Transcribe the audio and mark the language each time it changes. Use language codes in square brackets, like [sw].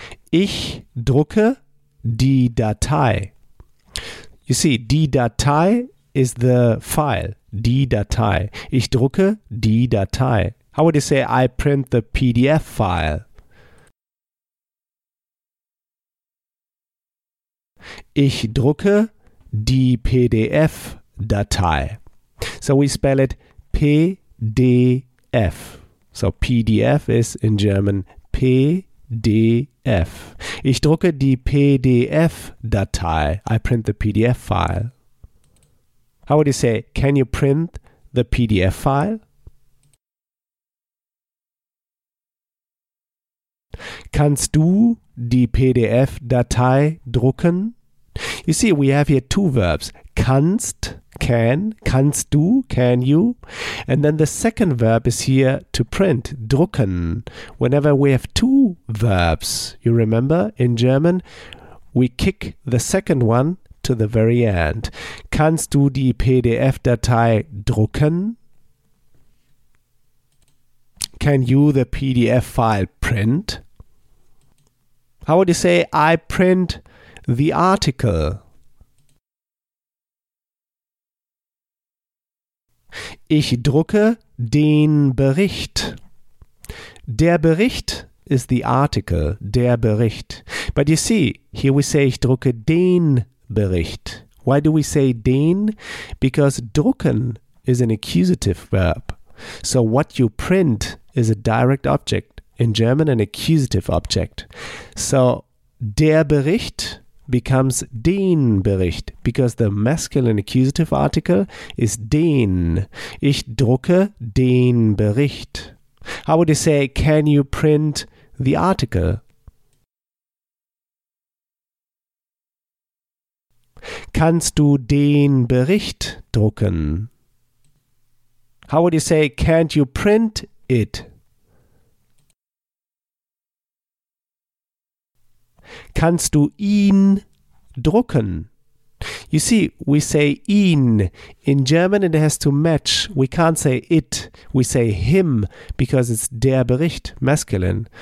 [de] Ich drucke die Datei. [en] You see, [de] die Datei [en] is the file. [de] Die Datei. Ich drucke die Datei. [en] How would you say, I print the PDF file? [de] Ich drucke die PDF-Datei. [en] So we spell it PDF. So PDF is in German PDF. [de] Ich drucke die PDF-Datei. [en] I print the PDF file. How would you say, can you print the PDF file? [de] Kannst du die PDF-Datei drucken? [en] You see, we have here two verbs. [de] Kannst, [en] can, [de] kannst du, [en] can you. And then the second verb is here to print, drucken. Whenever we have two verbs, you remember in German, we kick the second one to the very end. [de] Kannst du die PDF-Datei drucken? [en] Can you the PDF file print? How would you say, I print the article? [de] Ich drucke den Bericht. Der Bericht [en] is the article, [de] der Bericht. [en] But you see, here we say, [de] ich drucke den Bericht. [en] Why do we say den? Because drucken is an accusative verb. So what you print is a direct object. In German, an accusative object. So [de] der Bericht [en] becomes [de] den Bericht, [en] because the masculine accusative article is den. [de] Ich drucke den Bericht. [en] How would you say, can you print the article? [de] Kannst du den Bericht drucken? [en] How would you say, can't you print it? [de] Kannst du ihn drucken? [en] You see, we say ihn. In German, it has to match. We can't say it. We say him because it's [de] der Bericht, [en] masculine.